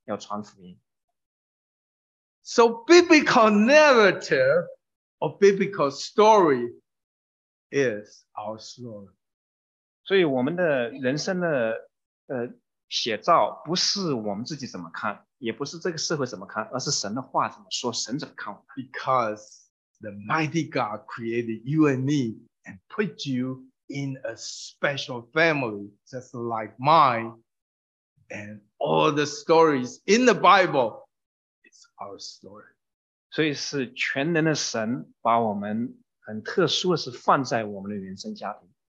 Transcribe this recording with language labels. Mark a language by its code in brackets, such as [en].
[zh] 所以神那时候也是教导我，就是说不要对别人有任何的歧视，不要因为就是说别人是什么人种，在什么样的家庭就歧视他们。其实是神把他放在那个环境底下，所以神就给我很大的负担，要传福音。 [en] So biblical narrative or biblical story is our story. [zh] 所以我们的人生的写照不是我们自己怎么看，也不是这个社会怎么看，而是神的话怎么说，神怎么看我们。 [en] Because the mighty God created you and me and put you in a special family just like mine, and all the stories in the Bible is our story. [zh] 所以是全能的神把我们很特殊的是放在我们的原生家庭。